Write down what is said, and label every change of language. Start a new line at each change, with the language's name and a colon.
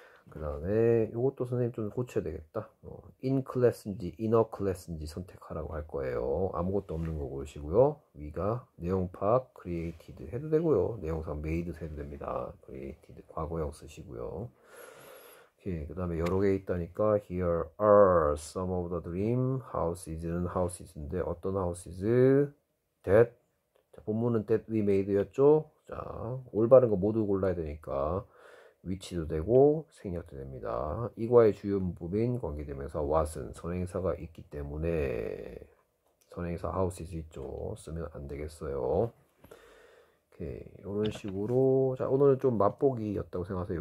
Korean: 그다음에 이것도 선생님 좀 고쳐야 되겠다.
English: in class
Korean: 인지
English: inner class
Korean: 인지 선택하라고 할 거예요. 아무것도 없는 거 고르시고요. 위가 내용 파악 created 해도 되고요. 내용상 made 해도 됩니다. created 과거형 쓰시고요. 오케이, 그다음에 여러 개 있다니까
English: here are some of the dream houses는 houses인데 어떤 houses? that
Korean: 자, 본문은
English: that we made였죠?
Korean: 자, 올바른 거 모두 골라야 되니까 위치도 되고 생략도 됩니다. 이과의 주요 문법인 관계대명사 what은 선행사가 있기 때문에 선행사 houses 있죠. 쓰면 안 되겠어요. 오케이. 오케이. 이런 식으로. 자, 오늘은 좀 맛보기였다고 생각하세요.